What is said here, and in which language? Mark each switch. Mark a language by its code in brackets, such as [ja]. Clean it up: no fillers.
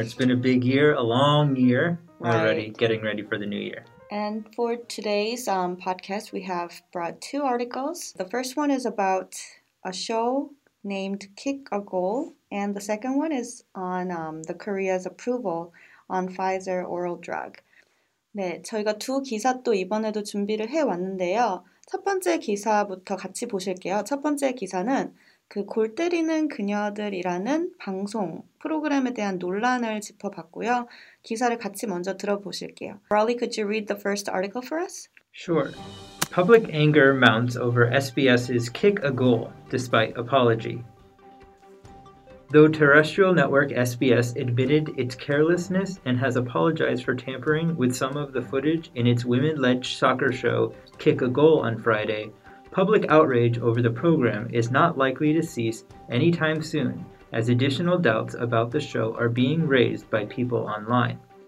[en] It's been a big year, a long year already, getting ready for the new year. And for today's podcast, we have brought two articles. The first one is about a show named Kick a Goal, and the second one is on the Korea's approval on Pfizer oral drug. [ko] 네, 저희가 두 기사 또 이번에도 준비를 해왔는데요. 첫 번째 기사부터 같이 보실게요. 첫 번째 기사는 그 골 때리는 그녀들이라는 방송 프로그램에 대한 논란을 짚어봤고요. 기사를 같이 먼저 들어보실게요. [en] Raleigh, could you read the first article for us? Sure. Public anger mounts over SBS's Kick a Goal, despite apology. Though terrestrial network SBS admitted its carelessness and has apologized for tampering with some of the footage in its women-led soccer show Kick a Goal on Friday, public outrage over the program is not likely to cease anytime soon as additional doubts about the show are being raised by people online.